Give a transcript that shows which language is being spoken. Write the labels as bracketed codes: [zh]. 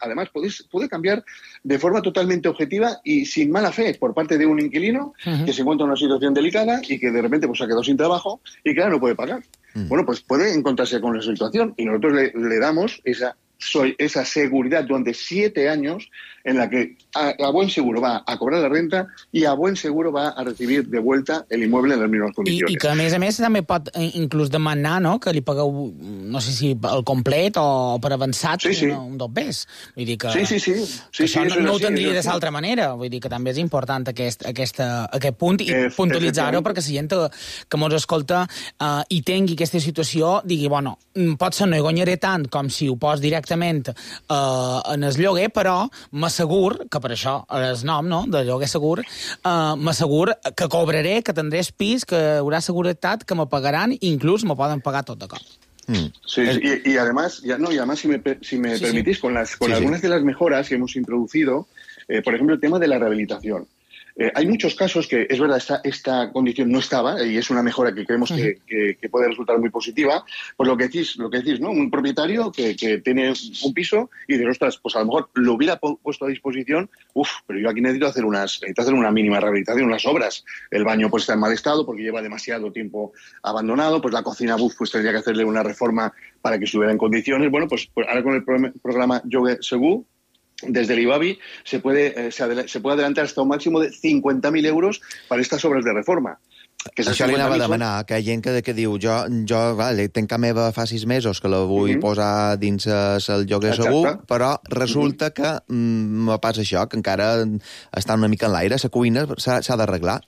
[es] Además, puede cambiar de forma totalmente objetiva y sin mala fe por parte de un inquilino que se encuentra en una situación delicada y que de repente pues ha quedado sin trabajo y claro, no puede pagar. Bueno, pues puede encontrarse con la situación y nosotros le damos esa seguridad durante 7 años en la que a buen seguro va a cobrar la renta y a buen seguro va a recibir de vuelta el inmueble en las mismas condiciones. [ca] I que a més també pot inclús demanar, no?, que li pagueu, no sé si el complet o per avançat, un dos més. Vull dir que... Sí, això no ho tindria d'altra manera. Vull dir que també és important aquest punt i puntualitzar-ho perquè si gent que mos escolta i tingui aquesta situació, digui, bueno, potser no hi guanyaré tant com si ho pos dir directament en el lloguer, però m'assegur, que per això és nom, no?, de lloguer segur, m'assegur que cobraré, que tindré el pis, que haurà seguretat, que me pagaran, inclús me poden pagar tot de cop. [es] Sí, y además, ya, no, y además, si me sí, permitís, sí. con algunas de las mejoras que hemos introducido, por ejemplo, el tema de la rehabilitación. Hay muchos casos que, es verdad, esta condición no estaba y es una mejora que creemos que puede resultar muy positiva. Pues lo que decís, ¿no? Un propietario que tiene un piso y dice, ostras, pues a lo mejor lo hubiera puesto a disposición, pero yo aquí necesito hacer una mínima rehabilitación, unas obras. El baño pues está en mal estado porque lleva demasiado tiempo abandonado, pues la cocina, pues tendría que hacerle una reforma para que estuviera en condiciones. Bueno, pues ahora con el programa Jogue Segur, desde el IBABI se puede adelantar hasta un máximo de 50.000 euros para estas obras de reforma. [ca] Això li anava a demanar, que hi ha gent que diu jo vale, tenc a meva fa 6 mesos que la vull posar dins el lloguer segur, però resulta que me passa això, que encara està una mica en l'aire, la cuina s'ha d'arreglar.